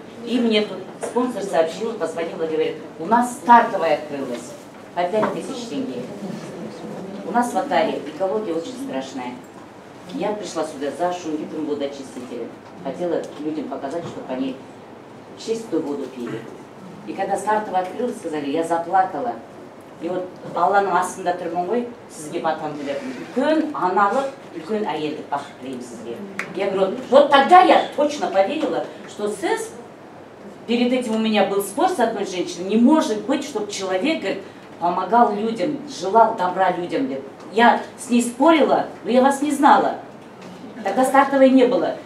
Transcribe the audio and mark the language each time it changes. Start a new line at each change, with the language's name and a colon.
Russian: И мне тут спонсор сообщил, позвонил и говорит, у нас стартовая открылась, по 5000 тенге. У нас в Атаре экология очень страшная. Я пришла сюда за шунгитом водоочистителем. Хотела людям показать, чтобы они чистую воду пили. И когда стартово открылось, сказали, я заплакала.
Kazakh: И вот Алланың астында тұрмын ғой, сізге батам деп, үлкен аналық, үлкен әйелді бақыт тілеймін сізге.
Russian: Я говорю, вот тогда я точно поверила, что сіз, перед этим у меня был спор с одной женщиной, не может быть, чтобы человек, говорит, помогал людям, желал добра людям. Я с ней спорила, но я вас не знала. Тогда стартовой не было.